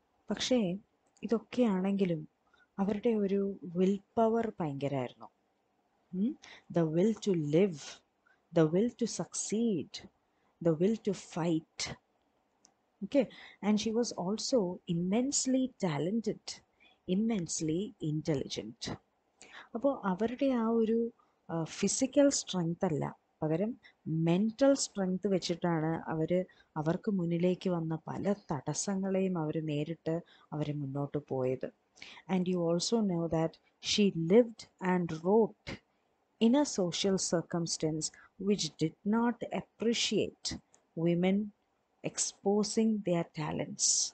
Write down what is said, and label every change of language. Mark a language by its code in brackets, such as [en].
[ml] പക്ഷേ ഇതൊക്കെയാണെങ്കിലും അവരുടെ ഒരു will power ഭയങ്കരമായിരുന്നു. [en] The will to live, the will to succeed, the will to fight. Okay, and she was also immensely talented, immensely intelligent. [ml] Appo avare aa oru physical strength alla, പകരം mental strength വെച്ചിട്ടാണ് അവർ അവർക്ക് മുന്നിലേക്ക് വന്ന പല തടസ്സങ്ങളെയും അവർ നേരിട്ട് അവർ മുന്നോട്ട് പോയത്. [en] And you also know that she lived and wrote in a social circumstance which did not appreciate women exposing their talents.